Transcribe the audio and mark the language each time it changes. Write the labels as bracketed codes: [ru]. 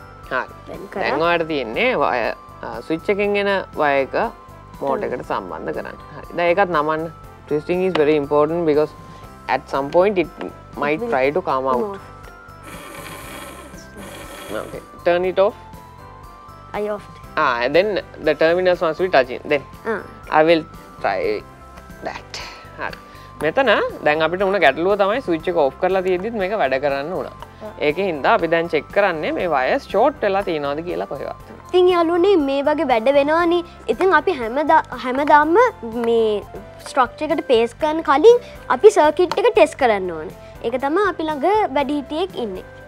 [si] හරි. දැන් ඔයාලට තියෙන්නේ වයර් ස්විච් එකෙන් එන වයර් එක මෝටරයකට සම්බන්ධ කරන්න. හරි. දැන් ඒකත් නමන්න. [en] Twisting is very important because at some point it might try to come out. Okay. Turn it off. I off. And then the terminals must be touching. Then I will try that. [si] හරි. මෙතන දැන් අපිට උන ගැටලුව තමයි ස්විච් එක ඔෆ් කරලා තියෙද්දිත් මේක වැඩ කරන්න උනා. ඒකේ හින්දා අපි දැන් චෙක් කරන්නේ මේ වයර්ස් ෂෝට් වෙලා තියෙනවද කියලා කොහෙවත්. ඉතින් යාළුවනේ මේ වගේ වැඩ වෙනවනේ. ඉතින් අපි හැමදාම මේ ස්ට්‍රක්චර් එකට පේස් කරන කලින් අපි සර්කිට් එක ටෙස්ට් කරන්න ඕනේ. ඒක තමයි අපි ළඟ වැඩිහිටියෙක් ඉන්නේ.